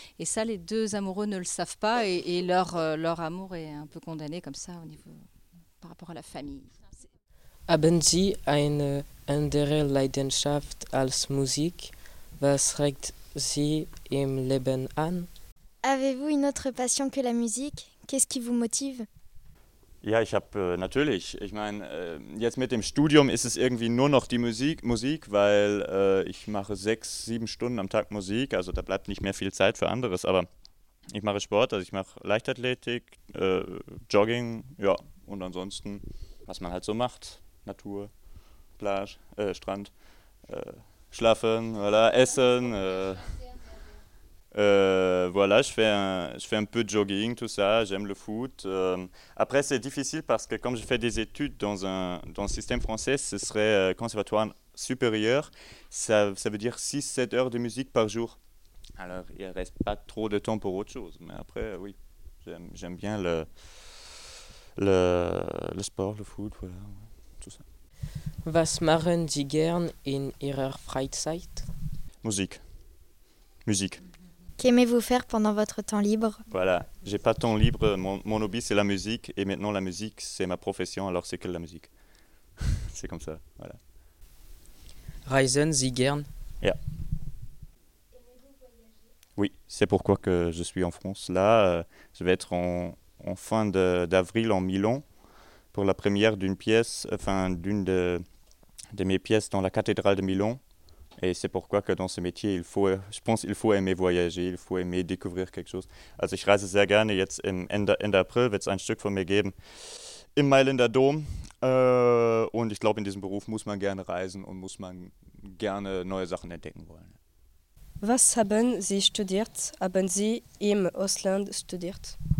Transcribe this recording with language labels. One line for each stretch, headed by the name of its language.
French: Et ça, les deux amoureux ne le savent pas et leur amour est un peu condamné comme ça au niveau, par rapport à la famille.
German: Haben Sie eine andere Leidenschaft als Musik? Was regt Sie im Leben an?
French: Avez-vous une autre passion que la musique? Qu'est-ce qui vous motive?
German: Ja, ich habe natürlich. Ich meine, jetzt mit dem Studium ist es irgendwie nur noch die Musik, weil ich mache 6-7 Stunden am Tag Musik, also da bleibt nicht mehr viel Zeit für anderes. Aber ich mache Sport, also ich mache Leichtathletik, Jogging, ja, und ansonsten, was man halt so macht.
French: Natur, Plage,
German: Strand, schlafen,
French: voilà, essen, voilà, je fais un peu de jogging, tout ça, j'aime le foot. Après, c'est difficile parce que comme je fais des études dans un système français, ce serait conservatoire supérieur, ça veut dire 6-7 heures de musique par jour. Alors, il ne reste pas trop de temps pour autre chose, mais après, oui, j'aime bien le sport, le foot, voilà.
German: Was machen Sie gern in Ihrer Freizeit? Musik.
French: Qu'aimez-vous faire pendant votre temps libre? Voilà, j'ai pas temps libre, mon hobby c'est la musique, et maintenant la musique c'est ma profession, alors c'est que la musique. C'est comme ça, voilà.
German: Reisen Sie gern? Ja.
French: Oui, c'est pourquoi que je suis en France. Là, je vais être en fin d'avril en Milan, pour la première d'une pièce, enfin d'une de mes pièces dans la cathédrale de Milan. Et c'est pourquoi que dans ce métier, il faut aimer voyager, il faut aimer découvrir quelque chose.
German: Also ich reise sehr gerne, jetzt im Ende April wird es ein Stück von mir geben, im Mailänder Dom. Und ich glaube, in diesem Beruf muss man gerne reisen und muss man gerne neue Sachen entdecken wollen. Was haben Sie studiert? Haben Sie im Ausland studiert?